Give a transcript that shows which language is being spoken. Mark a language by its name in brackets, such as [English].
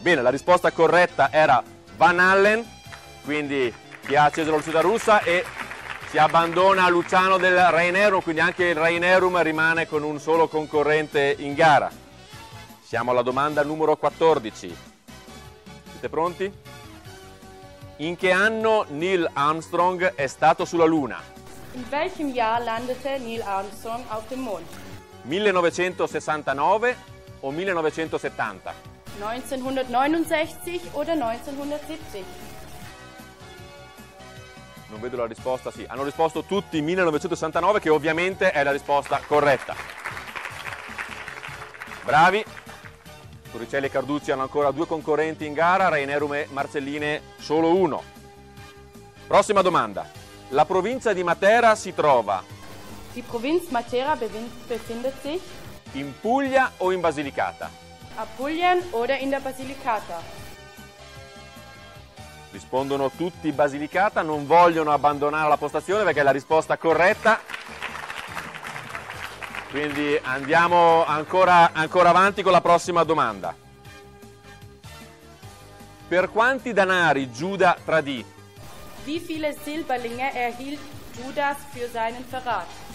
[Italian] Bene, la risposta corretta era Van Halen, quindi chi ha acceso la lucetta rossa, e si abbandona Luciano del Rainerum, quindi anche il Rainerum rimane con un solo concorrente in gara. Siamo alla domanda numero 14. Siete pronti? In che anno Neil Armstrong è stato sulla Luna? [German] In welchem Jahr landete Neil Armstrong auf dem Mond? [Italian] 1969 o 1970? [German] 1969 oder 1970? [Italian] Non vedo la risposta, sì. Hanno risposto tutti 1969, che ovviamente è la risposta corretta. Bravi. Torricelli e Carducci hanno ancora 2 concorrenti in gara, Rainerum e Marcelline solo 1. Prossima domanda. La provincia di Matera si trova... [German] Die Provinz Matera befindet sich... [Italian] In Puglia o in Basilicata? [German] Apulien oder in der Basilicata? [Italian] Rispondono tutti Basilicata, non vogliono abbandonare la postazione perché è la risposta corretta. Quindi andiamo ancora avanti con la prossima domanda. Per quanti danari Giuda tradì? [German] Wie viele Silberlinge erhielt Judas für seinen Verrat?